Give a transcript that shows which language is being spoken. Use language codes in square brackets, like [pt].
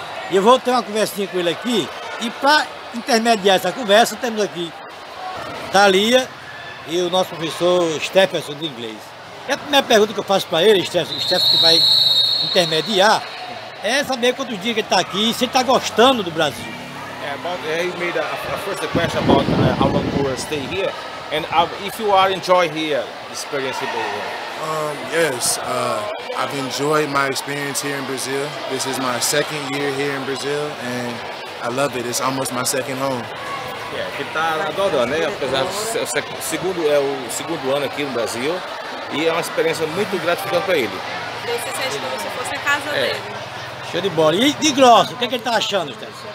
[pt] E eu vou ter uma conversinha com ele aqui. E para intermediar essa conversa, temos aqui Thalia e o nosso professor Stephenson de inglês. E a primeira pergunta que eu faço para ele, Stephenson, que vai intermediar, é saber quantos dias que ele está aqui e se ele está gostando do Brasil. [en] He made a first question about how long we will stay here. And if you are enjoy here, experience in Brazil. Yes, I've enjoyed my experience here in Brazil. This is my second year here in Brazil, and I love it. It's almost my second home. [pt] Yeah, ele tá adorando, né? Apesar do segundo é o segundo ano aqui no Brasil, e é uma experiência muito gratificante para ele. Você sente como se fosse a casa dele. Show de bola. E de Grossos, o que, é que ele está achando, Stephenson?